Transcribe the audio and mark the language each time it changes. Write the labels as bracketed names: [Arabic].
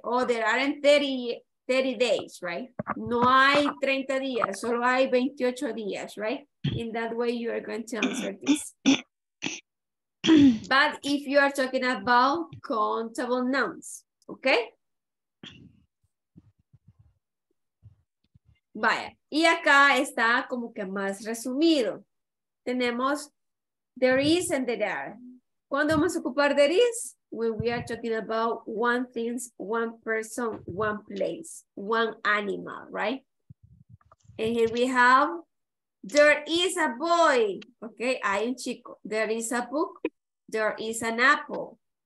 [English] Or there aren't 30 days, right? [Spanish] No hay 30 días, solo hay 28 días, [English] right? In that way, you are going to answer this. But if you are talking about countable nouns, okay? [Spanish] Vaya, y acá está como que más resumido. Tenemos [English] there is and there are. [Spanish] ¿Cuándo vamos a ocupar [English] there is? When we are talking about one thing, one person, one place, one animal, right? And here we have, there is a boy. Okay, [Spanish] hay un chico. [English] There is a book. There is an apple.